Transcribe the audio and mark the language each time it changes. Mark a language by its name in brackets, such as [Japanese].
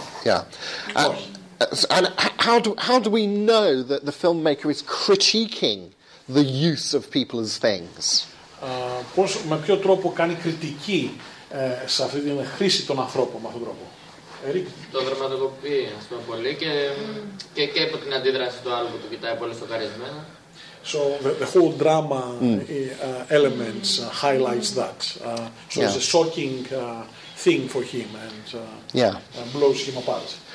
[English] Yeah. And how do we know that the filmmaker is critiquing the use of people as things? [Greek] Με ποιο τρόπο κάνει κριτική σε αυτή την χρήση των ανθρώπων με αυτόν τον τρόπο? Το δραματοποιεί, ας πούμε, πολύ και από την αντίδραση του άλλου που του κοιτάει πολύ στο καρισμένο. [English] So the whole drama elements highlights that. So yeah. It's a shocking thing for him and blows him apart.